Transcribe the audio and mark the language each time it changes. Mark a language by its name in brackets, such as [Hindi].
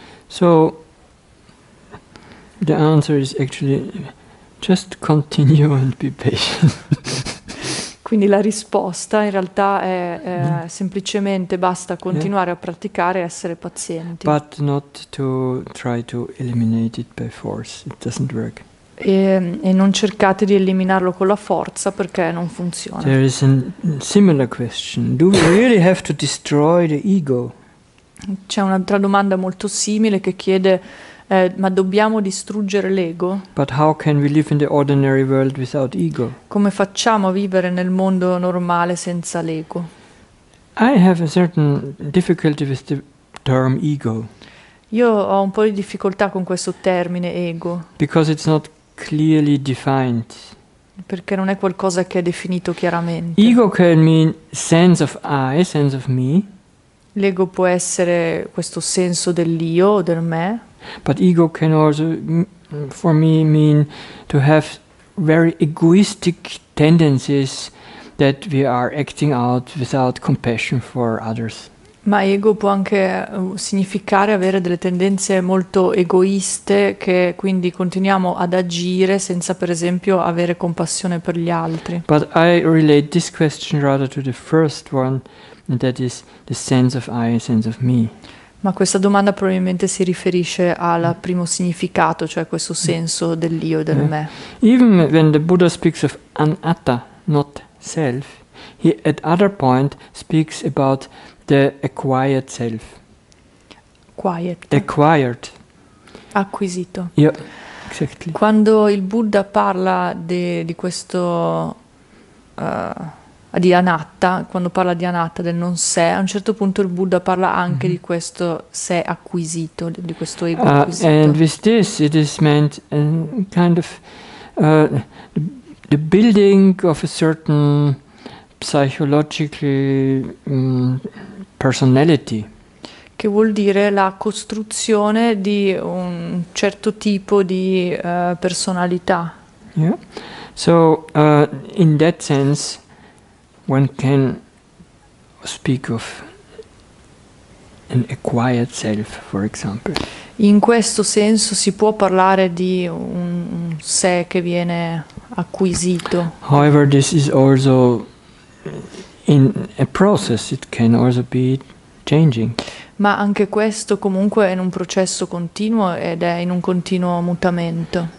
[English] So the answer is actually just continue and be patient. [Italian] Quindi la risposta in realtà è semplicemente basta continuare a praticare e essere pazienti. [English] But not to try to eliminate it by force. It doesn't work. [Italian] E non cercate di eliminarlo con la forza perché non funziona. [English] There is a similar question. Do we really have to destroy the ego? [Italian] C'è un'altra domanda molto simile che chiede ma dobbiamo distruggere l'ego? [English] But how can we live in the ordinary world without ego? [Italian] Come facciamo a vivere nel mondo normale senza l'ego? [English] I have a certain difficulty with the term ego. [Italian] Io ho un po' di difficoltà con questo termine ego. [English] Because it's not clearly defined. [Italian] Perché non è qualcosa che è definito chiaramente. [English] Ego can mean sense of I, sense of me. [Italian] L'ego può essere questo senso dell'io o del me. [English] But ego can also, for me, mean to have very egoistic tendencies that we are acting out without compassion for others. [Italian] Ma ego può anche significare avere delle tendenze molto egoiste, che quindi continuiamo ad agire senza, per esempio, avere compassione per gli altri. [English] But I relate this question rather to the first one, and that is the sense of I, sense of me. [Italian] Ma questa domanda probabilmente si riferisce al primo significato, cioè questo senso dell'io e del me. [English] Even when the Buddha speaks of anatta, not self, He at other point speaks about the acquired self. Quiet. Acquired. [Italian] Acquisito. [English] Yeah, exactly. [Italian] Quando il Buddha parla di questo di Anatta, quando parla di Anatta, del non sé, a un certo punto il Buddha parla anche di questo sé acquisito, di questo ego acquisito. [English] And with this it is meant kind of the building of a certain psychological personality. [Italian] Che vuol dire la costruzione di un certo tipo di personalità. [English] Yeah. So, in that sense, one can speak of an acquired self, for example. [Italian] In questo senso si può parlare di un sé che viene acquisito. [English] However, this is also in a process, it can also be changing. [Italian] Ma anche questo comunque è in un processo continuo ed è in un continuo mutamento.